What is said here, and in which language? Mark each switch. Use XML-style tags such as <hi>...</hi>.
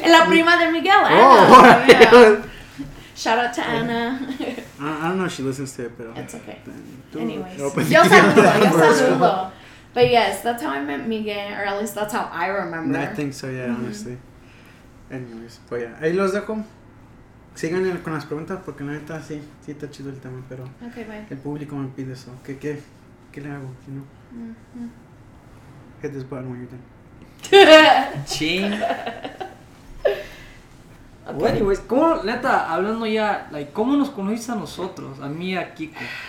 <es>La prima de</es> <en>Miguel. Anna. Oh, yeah. Shout out to Anna. I don't know if she listens to it,</en> <es>pero.</es> <en>It's okay. Anyways.</en> <es>Yo saludo.</es> <en>But yes, that's how I met Miguel. Or at least that's how I remember. I think so, yeah, honestly. Anyways. But yeah.</en> <es>Ahí los dejo. Sigan con las preguntas porque no está así, sí está chido el tema, pero</es> <en>okay,</en> <es>el público me pide eso. ¿Qué le hago?</es> <en>You know?</en> <es>Mm-hmm.</es> <en>Hit this button when you're done. Ching. Okay.</en> <es>Bueno, pues, ¿cómo, neta, hablando ya,</es> <en>like,</en> <es>cómo nos conociste a nosotros, a mí y a Kiko?</es>